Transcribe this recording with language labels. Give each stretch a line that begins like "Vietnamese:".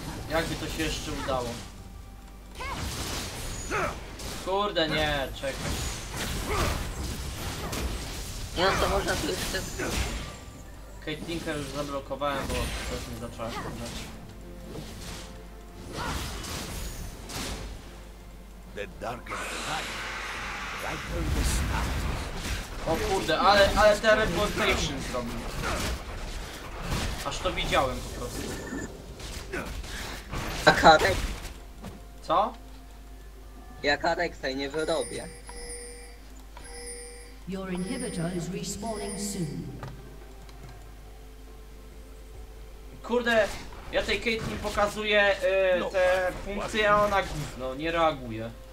Polish: Jakby to się jeszcze udało. Kurde, nie, czekaj. Nie, to można tu jeszcze... Caitlynkę już zablokowałem, bo coś mi zaczęła krążać.
English: The darker the night, brighter the stars.
Polish: O kurde, ale teleportation zrobił. Aż to widziałem po prostu. Jaka reksa? Co? Jaka reksa i nie wyrobię.
English: Your inhibitor is respawning soon.
Polish: Kurde, ja tej Caitlyn pokazuję te funkcje, a ona gówno, nie reaguje.